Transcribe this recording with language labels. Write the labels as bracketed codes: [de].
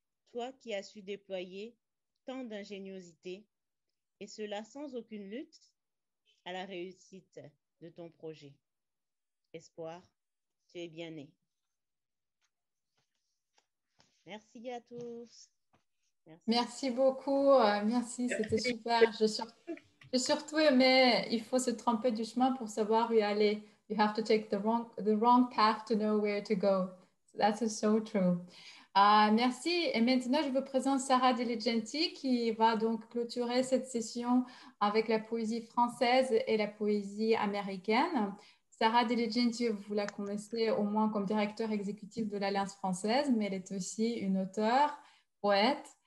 [fr] Toi qui as su déployer tant d'ingéniosité, et cela sans aucune lutte à la réussite de ton projet. Espoir, tu es bien né. Merci à tous. Merci beaucoup. Merci, c'était super. J'ai surtout aimé, il faut se tromper du chemin pour savoir où aller. [en] You have to take the wrong path to know where to go. That is so true. [fr] Merci. Et maintenant, je vous présente Sarah Diligenti qui va donc clôturer cette session avec la poésie française et la poésie américaine. Sarah Diligenti, vous la connaissez au moins comme directeur exécutif de l'Alliance française, mais elle est aussi une auteure, poète.